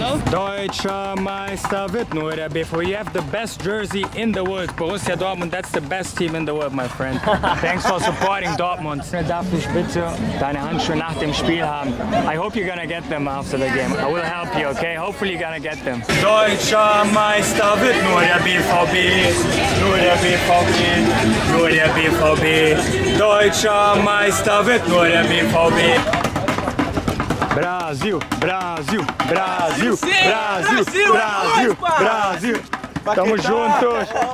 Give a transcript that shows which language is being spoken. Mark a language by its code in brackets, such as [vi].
[de] Deutscher Meister wird nur der BVB. [en] You have the best jersey in the world. Borussia Dortmund, that's the best team in the world, my friend. Thanks for supporting Dortmund. [de] Darf ich bitte deine Handschuhe nach dem Spiel haben? [en] I hope you're gonna get them after the game. I will help you, okay? Hopefully you're gonna get them. [de] Deutscher Meister wird nur der BVB. Nur der BVB. Nur der BVB. Deutscher Meister wird nur der BVB. [pt] Brasil, Brasil, Brasil, Brasil, Brasil, Brasil, Brasil. Tamo juntos.